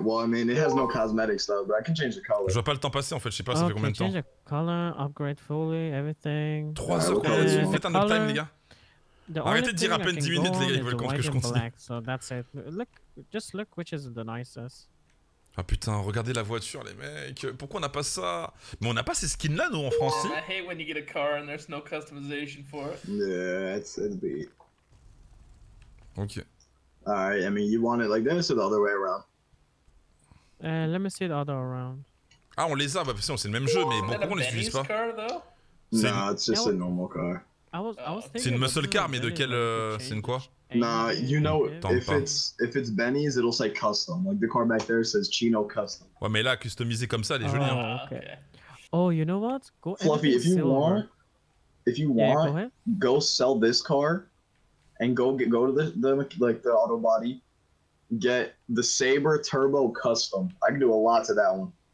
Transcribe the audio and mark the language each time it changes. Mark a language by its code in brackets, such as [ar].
[en] Well, I mean, it has no cosmetic stuff, but I can change the color. [fr] Je vois pas le temps passer, en fait, je sais pas, ça fait combien de temps. [en] Change the color, upgrade fully, everything. [fr] 3 heures qu'on a dessus, faites un uptime, les gars. Arrêtez de dire à peine 10 minutes, les gars, ils veulent que je continue. [en] So that's it. Look, just look which is the nicest. [fr] Ah putain, regardez la voiture les mecs, pourquoi on n'a pas ça? Mais on n'a pas ces skins là nous en France. [en] I hate when you get a car and there's no customization for it. Yeah, it's a bit. Ok. Alright, I mean you want it like this or the other way around? Let me see the other around. [fr] Ah on les a, bah c'est le même jeu, mais bon, pourquoi on les utilise pas? [en] C'est nah, it's just a normal car. [fr] C'est une muscle car, mais de quel... c'est une quoi? [en] Nah, you know, if it's Benny's, it'll say custom. Like the car back there says Chino custom. [fr] Ouais, mais là, customisé comme ça, elle est jolie. Hein. [en] Okay. Oh, you know what? Go Fluffy, if you want, go sell this car and go to the auto body, get the Sabre Turbo custom. I can do a lot to that one.